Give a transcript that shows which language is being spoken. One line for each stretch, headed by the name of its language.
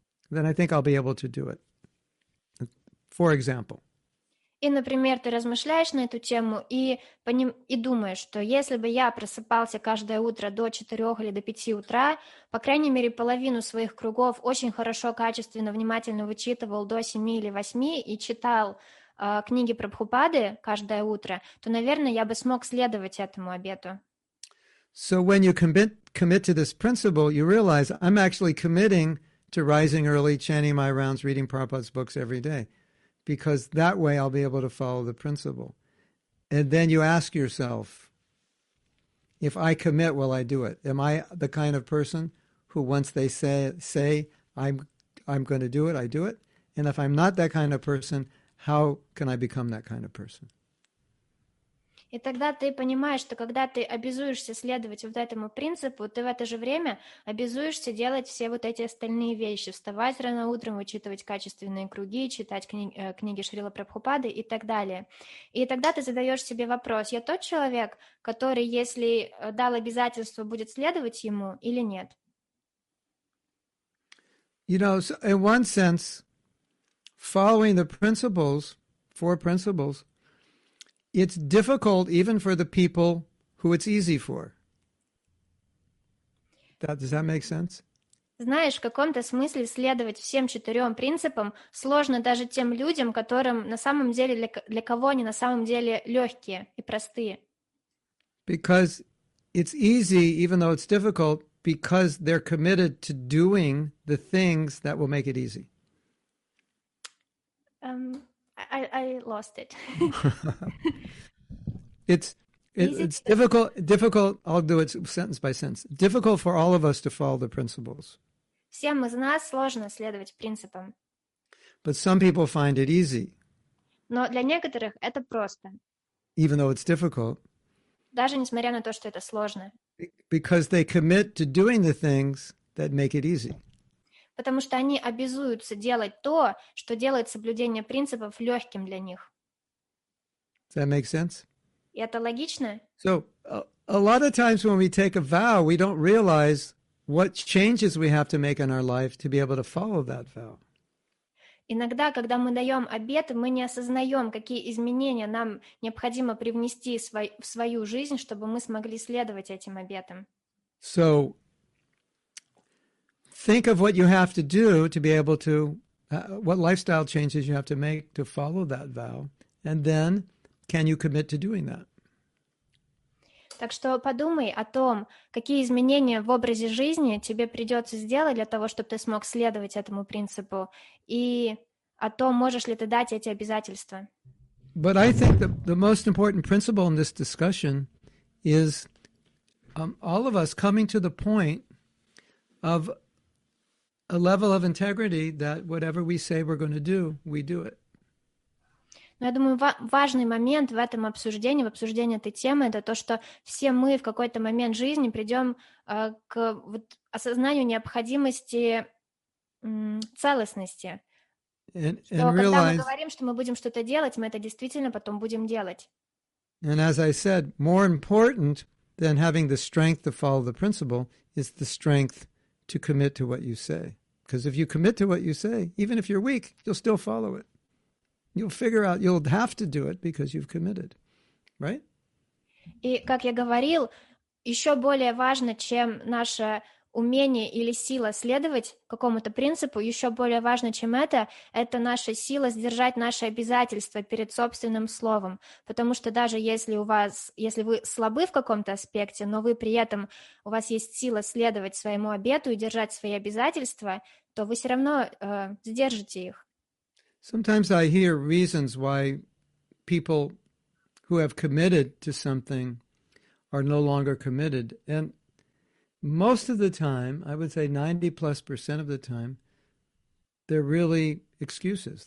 English: Then I think I'll be able to do it. For example.
Russian: И, например, ты размышляешь на эту тему и думаешь, что если бы я просыпался каждое утро до 4 или до 5 утра, по крайней мере, половину своих кругов очень хорошо, качественно, внимательно вычитывал до 7 или 8 и читал книги Прабхупады каждое утро, то, наверное, я бы смог следовать этому обету.
English: So when you commit to this principle, you realize I'm actually committing to rising early, chanting my rounds, reading Prabhupada's books every day. Because that way I'll be able to follow the principle. And then you ask yourself, if I commit, will I do it? Am I the kind of person who once they say I'm going to do it, I do it? And if I'm not that kind of person, how can I become that kind of person?
Russian: И тогда ты понимаешь, что когда ты обязуешься следовать вот этому принципу, ты в это же время обязуешься делать все вот эти остальные вещи. Вставать рано утром, вычитывать качественные круги, читать книги Шрилы Прабхупады и так далее. И тогда ты задаешь себе вопрос, я тот человек, который, если дал обязательство, будет следовать ему или нет?
English: You know, in one sense, following the principles, 4 principles, it's difficult even for the people who it's easy for. Does that make sense?
Russian: Знаешь, в каком-то смысле следовать всем 4 принципам сложно даже тем людям, которым на самом деле для кого они на самом деле легкие и простые.
English: Because it's easy, even though it's difficult, because they're committed to doing the things that will make it easy. I lost it. it's difficult. I'll do it sentence by sentence. Difficult for all of us to follow the principles.
Russian: Всем из нас сложно следовать принципам.
English: But some people find it easy.
Russian: Но для некоторых это просто.
English: Even though it's difficult.
Russian: Даже несмотря на то, что это сложно.
English: Because they commit to doing the things that make it easy.
Russian: Потому что они обязуются делать то, что делает соблюдение принципов легким для них.
English: Does that make sense?
Russian: И это логично?
English: So, a lot of times when we take a vow, we don't realize what changes we have to make in our life to be able to follow that vow.
Russian: Иногда, когда мы даем обет, мы не осознаем, какие изменения нам необходимо привнести в свою жизнь, чтобы мы смогли следовать этим обетам.
English: So, think of what you have to do to be able to, what lifestyle changes you have to make to follow that vow, and then can you commit to doing that?
Russian: Так что подумай о том, какие изменения в образе жизни тебе придется сделать для того, чтобы ты смог следовать этому принципу, и о том, можешь ли ты дать эти обязательства.
English: But I think the most important principle in this discussion is all of us coming to the point of a level of integrity that whatever we say we're going to do, we do it.
Russian: Но я думаю, важный момент в этом обсуждении, в обсуждении этой темы, это то, что все мы в какой-то момент жизни придем к вот, осознанию необходимости целостности.
English: And
Russian: что
English: realize,
Russian: когда мы говорим, что мы будем что-то делать, мы это действительно потом будем делать.
English: And as I said, more important than having the strength to follow the principle is the strength to commit to what you say. Because if you commit to what you say, even if you're weak, you'll still follow it. You'll figure out, you'll have to do it because you've committed, right?
Russian: И, как я говорил, еще более важно, чем наше умение или сила следовать какому-то принципу, еще более важно, чем это наша сила сдержать наши обязательства перед собственным словом. Потому что даже если вы слабы в каком-то аспекте, но вы при этом, у вас есть сила следовать своему обету и держать свои обязательства, то вы все равно сдержите их.
English: Sometimes I hear reasons why people who have committed to something are no longer committed. And most of the time, I would say 90%+ of the time, they're really excuses.